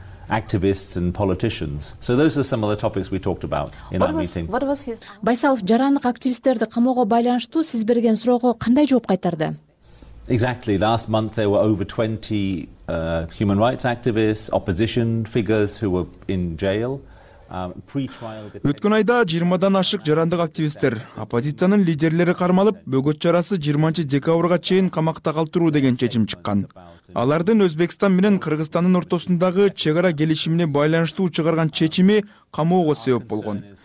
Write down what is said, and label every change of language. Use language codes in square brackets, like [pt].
[en] Activists and politicians. So those are some of the topics we talked about in our meeting. What was his... [ky] Байсалов жарандык активисттерди камоого байланыштуу сиз берген суроого кандай жооп кайтарды? [en] Exactly. Last month there were over 20 human rights activists, opposition figures who were in jail. [ky] Өткөн айда 20 ашык жарандык активисттер, оппозициянын лидерлери кармалып, бөгөт чарасы 20 декабрга чейин камакта калтыруу деген чечим чыккан. Алардын Өзбекстан менен Кыргызстандын ортосундагы чек ара келишимине байланыштуу чыгарган чечими камоого себеп болгон.